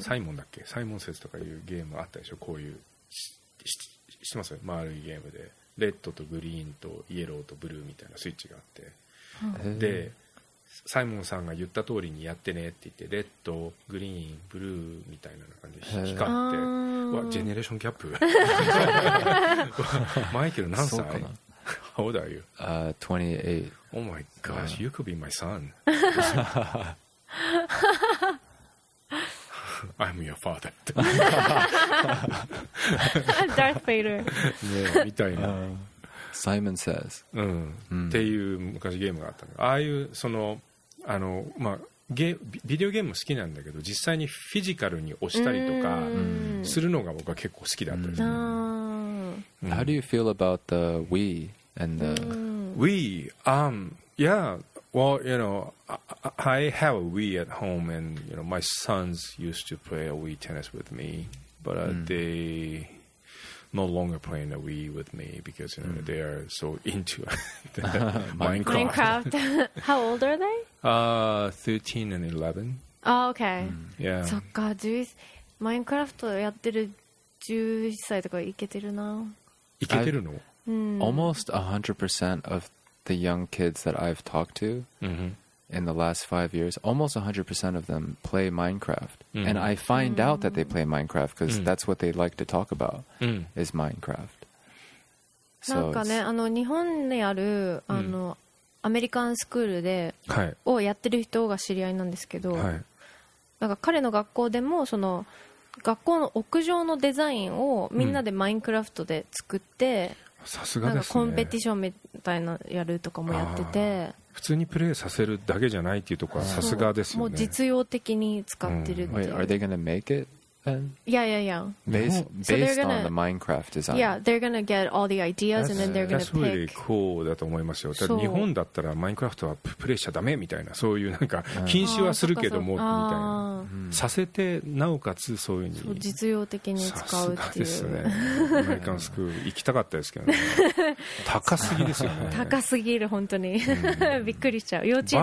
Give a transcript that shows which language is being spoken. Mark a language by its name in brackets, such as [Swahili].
[Japanese] サイモンだっけ、サイモンセーズとかいうゲームあったでしょ、こういう してますよ、丸いゲームでレッドとグリーンとイエローとブルーみたいなスイッチがあって、でサイモンさんが言った通りにやってねって言って、レッド、グリーン、ブルーみたいな感じで光って、わジェネレーションキャップマイケル何歳、 [English] How old are you? 28. Oh my gosh, you could be my son. I'm your father. Darth Vader. [Japanese] ねえ、みたいな。 [English] Simon says. [Japanese] うん。っていう昔ゲームがあったの。ああいうそのまあ、ビデオゲーム好きなんだけど、実際にフィジカルに押したりとかするのが僕は結構好きだったですね。 [English] How do you feel about the Wii and the Wii? Yeah, well, you know, I have a Wii at home, and you know, my sons used to play a Wii tennis with me, but they no longer playing a Wii with me because you know they are so into Minecraft. Minecraft. How old are they? 13 and 11. Oh, okay. Yeah. [Japanese] そっか、Minecraft やってる11歳とかいけてるな。いけてるの？ [English] Almost 100% of the young kids that I've talked to in the last 5 years, almost 100% of them play Minecraft. Mm-hmm. And I find out that they play Minecraft because that's what they like to talk about is Minecraft. [Japanese] So なんかね、日本にあるアメリカンスクールで、はい、をやってる人が知り合いなんですけど、はい、なんか彼の学校でもその学校の屋上のデザインをみんなでマインクラフトで作って、さすがですね、コンペティションみたいなやるとかもやってて、普通にプレイさせるだけじゃないっていうところはさすがですよね。もう実用的に使ってるっていう。 [English] Wait, are they gonna make it then? Yeah, yeah, yeah. Based on the Minecraft design. Yeah, they're gonna get all the ideas and then they're gonna pick. That's really cool [Japanese] だと思いますよ。ただ日本だったらマインクラフトはプレイしちゃダメみたいな、そういうなんか禁止はするけどもみたいな。させてなおかつそういうふうに実用的に使うっていう。さすがですね。アメリカンスクール行きたかったですけどね。高すぎですよね。高すぎる本当に。びっくりしちゃう。幼稚園